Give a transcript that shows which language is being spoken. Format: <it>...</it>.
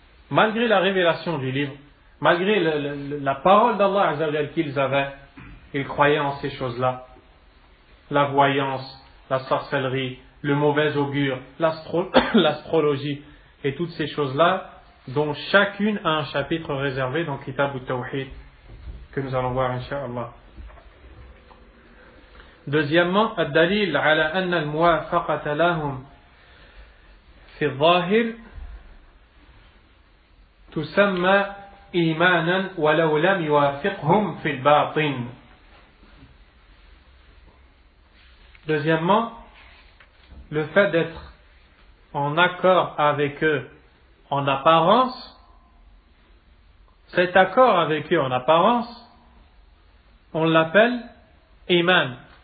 <fr>Malgré la révélation du livre, malgré la parole d'Allah Azzawajal qu'ils avaient, ils croyaient en ces choses-là. La voyance, la sorcellerie, le mauvais augure, l'astrologie et toutes ces choses-là, dont chacune a un chapitre réservé dans Kitab al-Tawhid. Que nous allons voir, Inch'Allah. Deuxièmement,</fr> <ar>الدليل على أن الموافقة لهم في الظاهر تسمى إيمانا ولو لم يوافقهم في الباطن.</ar> <fr>Deuxièmement, le fait d'être en accord avec eux en apparence, cet accord avec eux en apparence, on l'appelle iman.</fr>